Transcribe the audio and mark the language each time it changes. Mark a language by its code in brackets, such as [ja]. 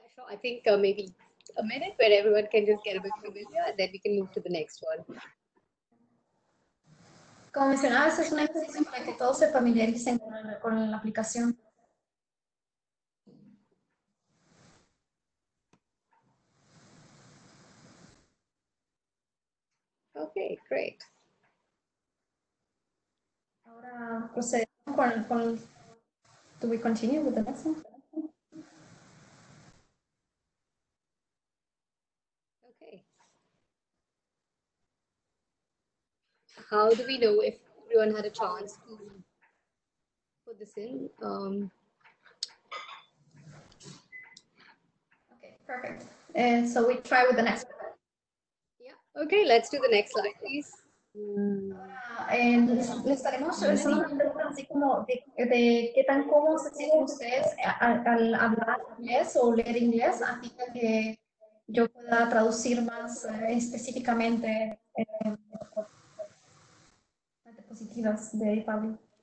[en] I think maybe a minute where everyone can just get a bit familiar and then we can move to the next one. [es] Como mencionaba, es una exposición para que todos se familiaricen con la aplicación. [en] Okay, great. Do we continue with the next one? Okay. How do we know if everyone had a chance to put this in? Okay, perfect. So we try with the next one. Yeah, okay, let's do the next slide, please. [es] Le estaremos preguntando así como de qué tan cómodos se sienten ustedes al hablar inglés o leer inglés, así que yo pueda traducir más específicamente las diapositivas de Pablo.